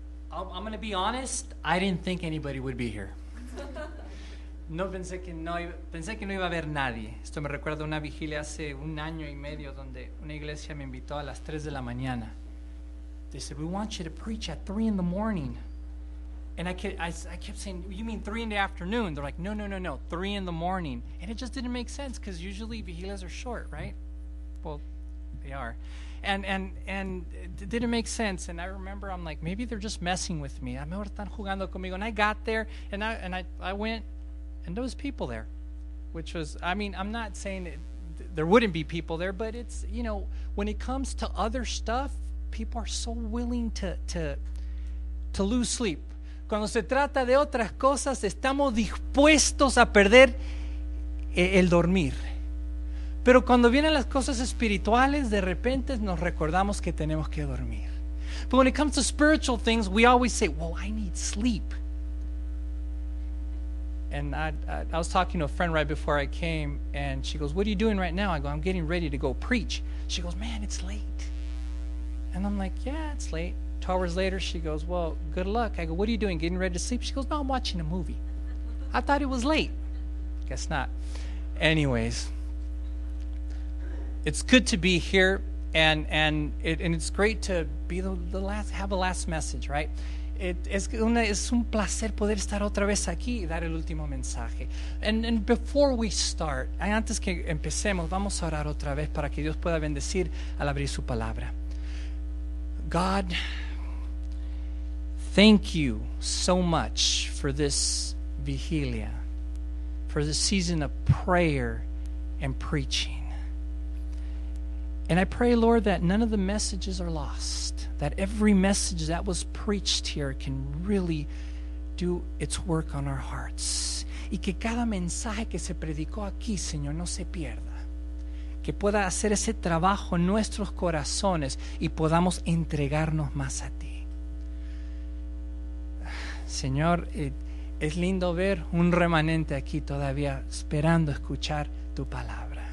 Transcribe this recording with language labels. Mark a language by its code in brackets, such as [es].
[en] I'm going to be honest, I didn't think anybody would be here. [es] No pensé que no iba a haber nadie. Esto me recuerda a una vigilia hace un año y medio donde una iglesia me invitó a las 3 de la mañana. [en] They said, we want you to preach at 3 in the morning. And I kept saying, you mean 3 in the afternoon? They're like, no, 3 in the morning. And it just didn't make sense because usually vigilias are short, right? Well, they are. And it didn't make sense. And I remember, I'm like, maybe they're just messing with me. [es] Ahora están jugando conmigo. [en] And I got there, and I went, and there was people there, which was, I mean, I'm not saying there wouldn't be people there, but it's, you know, when it comes to other stuff, people are so willing to lose sleep. [es] Cuando se trata de otras cosas, estamos dispuestos a perder el dormir. Pero cuando vienen las cosas espirituales, de repente nos recordamos que tenemos que dormir. [en] But when it comes to spiritual things, we always say, well, I need sleep. And I was talking to a friend right before I came, and she goes, what are you doing right now? I go, I'm getting ready to go preach. She goes, man, it's late. And I'm like, yeah, it's late. 2 hours later, she goes, well, good luck. I go, what are you doing? Getting ready to sleep? She goes, no, I'm watching a movie. I thought it was late. Guess not. Anyways, it's good to be here, and it's great to be the last message, right? [es] Es un placer poder estar otra vez aquí y dar el último mensaje. [en] And before we start, [es] antes que empecemos, vamos a orar otra vez para que Dios pueda bendecir al abrir su palabra. [en] God, thank you so much for this vigilia, for this season of prayer and preaching. And I pray, Lord, that none of the messages are lost, that every message that was preached here can really do its work on our hearts. [es] Y que cada mensaje que se predicó aquí, Señor, no se pierda. Que pueda hacer ese trabajo en nuestros corazones y podamos entregarnos más a ti. Señor, es lindo ver un remanente aquí todavía esperando escuchar tu palabra.